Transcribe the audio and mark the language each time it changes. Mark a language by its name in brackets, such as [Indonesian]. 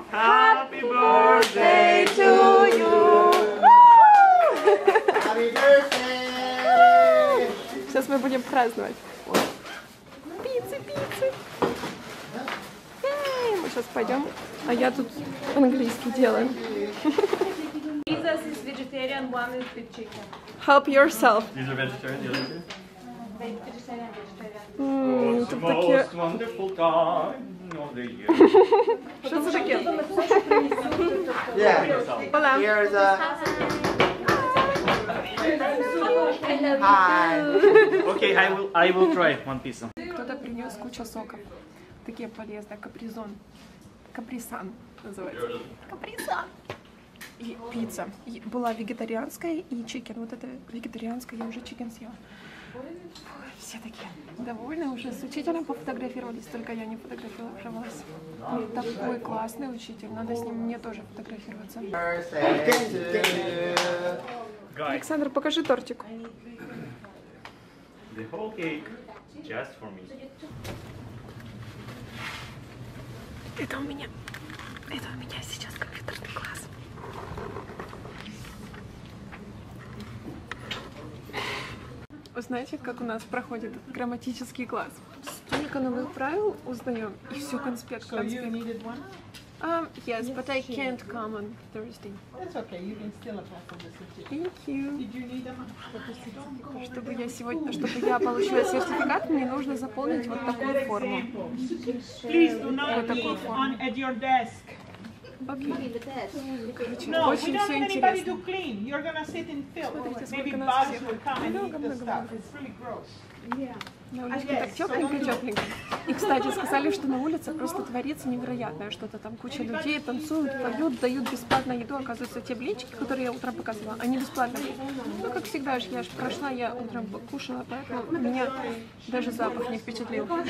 [English] Happy birthday to you. [Russian] Сейчас мы будем праздновать. Пиццы, пиццы. Эй, мы сейчас пойдем. А я тут английский делаю. [English] Jesus is vegetarian, one is with chicken. Help yourself. These are vegetarian, the other two. Vegetarian, vegetarian. [Russian] Mm, тут такие... Что за такие? [English] Yeah. [Spanish] Hola. [English] Here's a... Окей, I will try one piece. [Russian] Кто-то принес кучу соков. Такие полезные. Капризон. Капризан называется. Капризан. И пицца. И была вегетарианская и чикен. Вот это вегетарианская, я уже чикен съела. Все такие довольны уже. С учителем пофотографировались, только я не фотографировалась. Он такой классный учитель. Надо с ним мне тоже фотографироваться. Александр, покажи тортик. [English] The whole cake just for me. [Russian] Это у меня сейчас компьютерный класс. Узнаете, как у нас проходит грамматический класс? Столько новых правил узнаем, и все конспект. [English] Yes, but I can't come on Thursday. That's okay. You can still apply for the certificate. Thank you. Did you need a certificate? [Russian] Чтобы я сегодня, чтобы я получила сертификат, мне нужно заполнить вот такую форму. [English] Please do not вот leave it on at your desk. [Russian] Okay. Короче, [English] no, [Russian] очень [English] we don't have anybody to clean. You're gonna sit in filth. Maybe bugs will come and eat the stuff. It's really gross. Yeah. [Russian] На улице так тёпленько-тёпленько. И, кстати, сказали, что на улице просто творится невероятное что-то. Там куча людей танцуют, поют, дают бесплатно еду. Оказывается, те блинчики, которые я утром показывала, они бесплатные. Ну, как всегда, я же прошла, я утром покушала, поэтому меня даже запах не впечатлил.